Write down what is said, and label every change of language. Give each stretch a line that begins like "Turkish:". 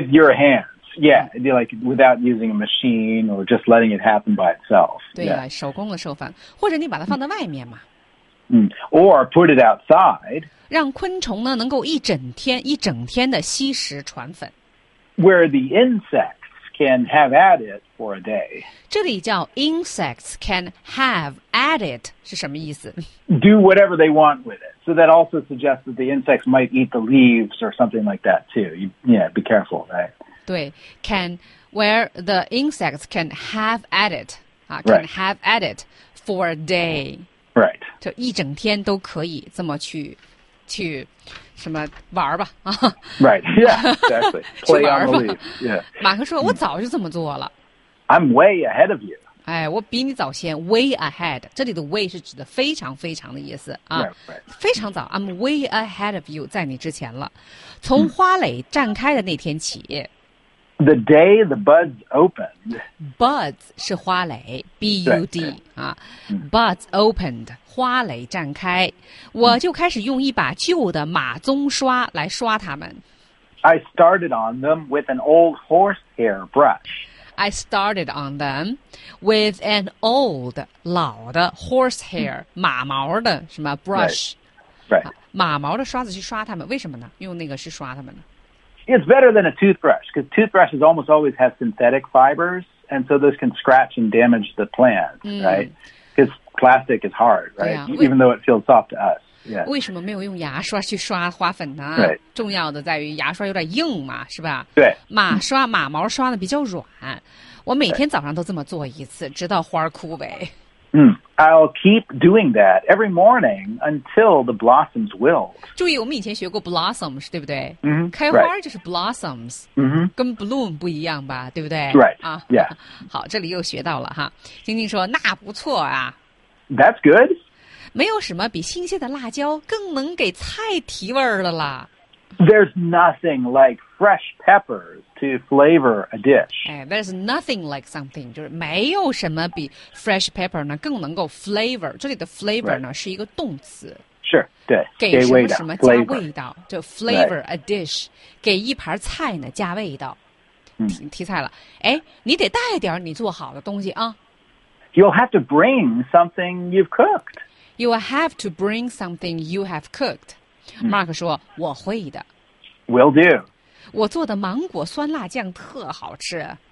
English: ？With your hands, yeah, like without using a machine or just letting it happen by itself.
Chinese: 对
English: 了、yeah.
Chinese: 手工的授粉，或者你把它放在外面嘛。
English: 嗯 ，or put it outside，
Chinese: 让昆虫呢能够一整天一整天的吸食传粉
English: ，where the insects can have at it for a day。
Chinese: 这里叫
English: insects can have at it
Chinese: 是什么意思
English: ？Do whatever they want with it. So that also suggests that the insects might eat the leaves or something like that too. Yeah, be careful, right? 对 ，can where the insects can have at it 啊、 right. ，can have at it for a day。 Right.
Chinese: 就一整天都可以这么去什么玩吧啊
English: ？Right. Yeah. Exactly. Play on the leaves. Yeah.
Chinese: 马克说：“我早就这么做了。
English: ”I'm way ahead of you.
Chinese: 哎，我比你早先。
English: Way ahead.
Chinese: 这里的 way 是指的非常非常的意思啊。
English: Right, right.
Chinese: 非常早。
English: I'm way ahead of you.
Chinese: 在你之前了。从花蕾绽开的那天起。
English: The day the buds opened.
Chinese: Buds 是花蕾 ,B-U-D, 啊 ,
English: buds opened,
Chinese: 花蕾绽开。我就开始用一把旧的马鬃刷来刷它们。
English: I started on them with an old horsehair brush. I started on them with an old,
Chinese: 老的
English: horsehair,
Chinese: 马毛的什么
English: brush. Right. Right.
Chinese: 马毛的刷子去刷它们，为什么呢？用那个去刷它们呢？
English: It's better than a toothbrush because toothbrushes almost always have synthetic fibers, and so those can scratch and damage the plant,、right? Because plastic is hard, right?、啊、 Even though it feels soft to us. Yeah.
Chinese: 为什么没有用牙刷去刷花粉呢？
English: Right.
Chinese: 重要的在于牙刷有点硬嘛，是吧？对。马刷马毛刷的比较软，我每天早上都这么做一次，直到花枯萎。
English: I'll keep doing that every morning until the blossoms wilt.
Chinese: 注意，我们以前学过 blossoms， 对不对？嗯、mm-hmm, ，开花就是 blossoms，嗯、mm-hmm. ，跟 bloom 不一样吧？对不对
English: ？Right. 啊 ，Yeah.
Chinese: 好，这里又学到了哈。晶晶说：“那不错啊。
English: ”That's good.
Chinese: 没有什么比新鲜的辣椒更能给菜提味儿的啦。
English: There's nothing like fresh peppers to flavor a dish. There's nothing like something.
Chinese: 就是没有什么比
English: fresh pepper
Chinese: 呢更能够
English: flavor. 这里的 flavor 呢、 right.
Chinese: 是一个动词。
English: Sure, 对。
Chinese: 给什么什么加味道
English: flavor. 就 flavor a dish、 right.
Chinese: 给一盘菜呢加味道、 mm. 提菜了。哎，你得带点你做好的东西啊。
English: You'll have to bring something you've cooked. You will have to bring something you have cooked.
Chinese: Mark 说：“我会的。
English: ”Will do。
Chinese: 我做的芒果酸辣酱特好吃。